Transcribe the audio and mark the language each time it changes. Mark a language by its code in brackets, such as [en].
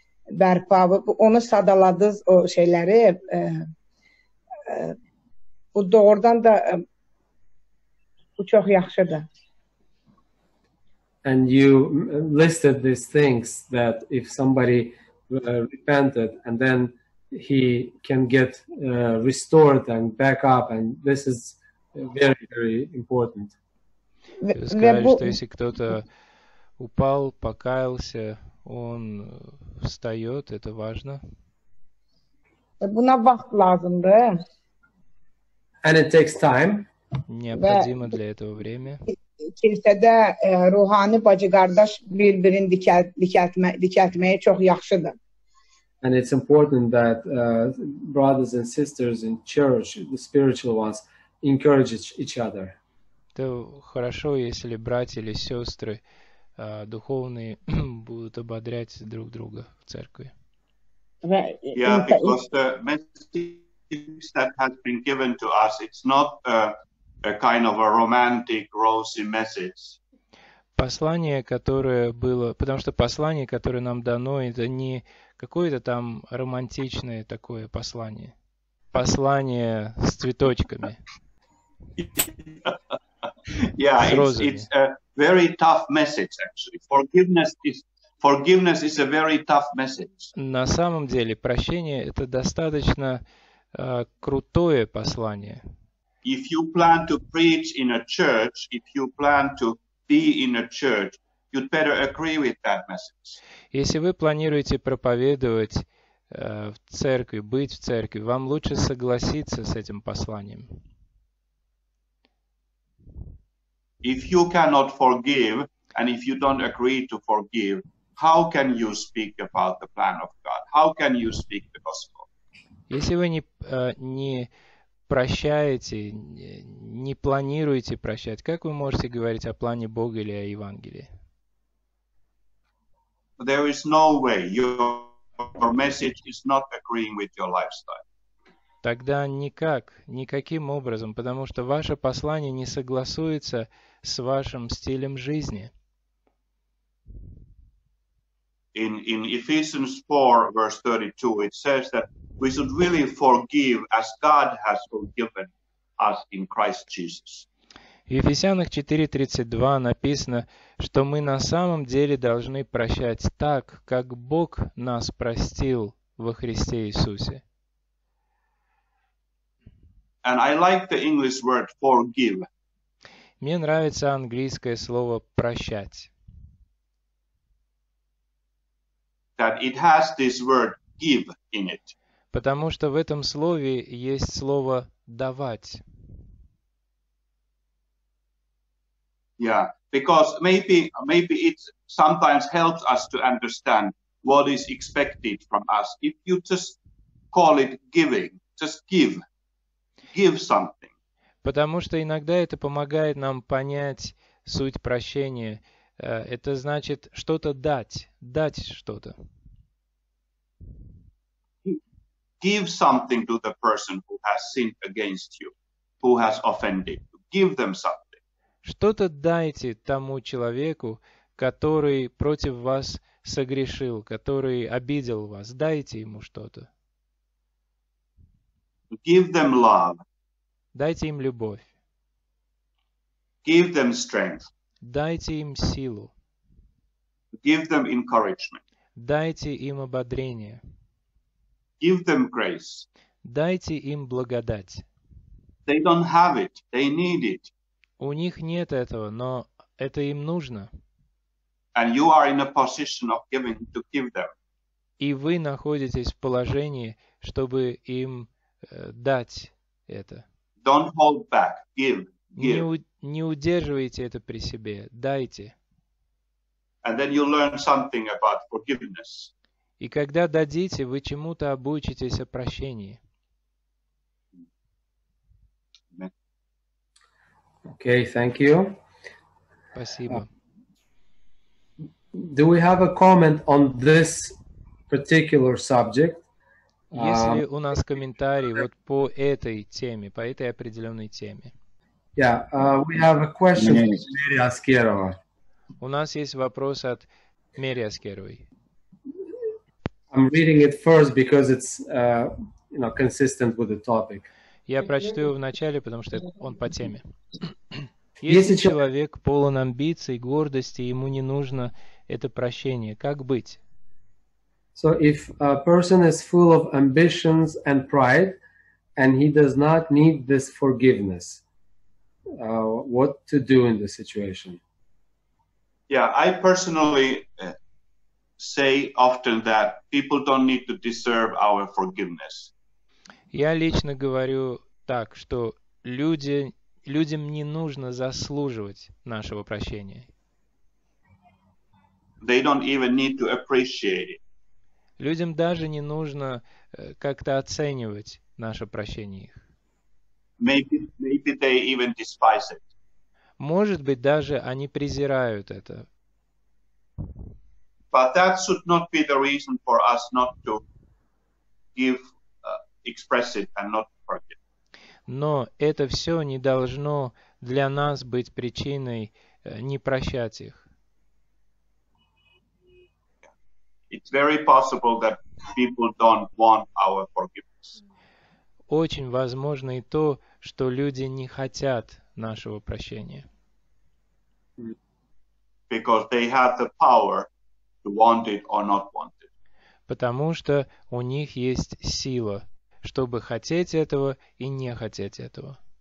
[az] Bərpa, onu sadaladınız o şeyləri, bu doğrudan da, bu çox yaxşıdır. [en] And you listed these things that if somebody repented and then he can get restored and back up and this is very, very important. [ru] Сказали, что если кто-то упал, покаялся, он встает, это важно. [az] Buna vaxt lazımdır. [en] And it takes time. [ru] Необходимо для этого время. [az] Kilisədə ruhani bacı-qardaş bir-birin dikəltməyi çox yaxşıdır. [en] And it's important that brothers and sisters in church, the spiritual ones, encourage each other. [ru] Это хорошо, если братья или сестры духовные будут ободрять друг друга в церкви. [en] Yeah, because the message that has been given to us, it's not a kind of a romantic, rosy message. [ru] Послание, которое было, потому что послание, которое нам дано, это не какое-то там романтичное такое послание. Послание с цветочками. [en] Yeah, it's a very tough message, actually. Forgiveness is a very tough message. [ru] На самом деле, прощение – это достаточно крутое послание. [en] If you plan to preach in a church, if you plan to be in a church, you'd better agree with that message. [ru] Если вы планируете проповедовать в церкви, быть в церкви, вам лучше согласиться с этим посланием. [en] If you cannot forgive, and if you don't agree to forgive, how can you speak about the plan of God? How can you speak the gospel? [ru] Если вы не прощаете, не планируете прощать, как вы можете говорить о плане Бога или о Евангелии? [en] There is no way. Your message is not agreeing with your lifestyle. [ru] Тогда никак, никаким образом, потому что ваше послание не согласуется с вашим стилем жизни. [en] In Ephesians 4, verse 32, it says that we should really forgive as God has forgiven us in Christ Jesus. [ru] В Ефесянах 4:32 написано, что мы на самом деле должны прощать так, как Бог нас простил во Христе Иисусе. [en] And I like the English word forgive. [ru] Мне нравится английское слово прощать. [en] That it has this word give in it. [ru] Потому что в этом слове есть слово давать. [en] Yeah, because maybe it sometimes helps us to understand what is expected from us. If you just call it giving, just give something. [ru] Потому что иногда это помогает нам понять суть прощения. Это значит что-то дать что-то. [en] Give something to the person who has sinned against you, who has offended you. Give them something. [ru] Что-то дайте тому человеку, который против вас согрешил, который обидел вас. Дайте ему что-то. [en] Give them love. [ru] Дайте им любовь. [en] Give them strength. [ru] Дайте им силу. [en] Give them encouragement. [ru] Дайте им ободрение. [en] Give them grace. [ru] Дайте им благодать. [en] They don't have it, they need it. [ru] У них нет этого, но это им нужно. [en] And you are in a position of giving to give them. [ru] И вы находитесь в положении, чтобы им дать это. [en] Don't hold back, give. [ru] Не удерживайте это при себе, дайте. [en] And then you learn something about forgiveness. [ru] И когда дадите, вы чему-то обучитесь о прощении. [en] Okay, thank you. [ru] Спасибо. [en] Do we have a comment on this particular subject? [ru] Есть ли у нас комментарий вот по этой теме, по этой определенной теме? [en] Yeah, we have a question from Mary Askerova. [ru] У нас есть вопрос от Мэри Аскеровой. [en] I'm reading it first because it's, you know, consistent with the topic. [ru] Я прочту его вначале, потому что он по теме. Если человек полон амбиций, гордости, ему не нужно это прощение, как быть? [en] So if a person is full of ambitions and pride, and he does not need this forgiveness, what to do in this situation? Yeah, I personally say often that people don't need to deserve our forgiveness. [ru] Я лично говорю так, что людям не нужно заслуживать нашего прощения. [en] They don't even need to appreciate it. [ru] Людям даже не нужно как-то оценивать наше прощение их. [en] Maybe they even despise it. [ru] Может быть, даже они презирают это. [en] But that should not be the reason for us not to give, express it and not forget. [ru] Но это все не должно для нас быть причиной не прощать их. [en] It's very possible that people don't want our forgiveness. [ru] Очень возможно и то, что люди не хотят нашего прощения. [en] Because they have the power. Want it or not want it. [ru] Потому что у них есть сила, чтобы хотеть этого и не хотеть этого.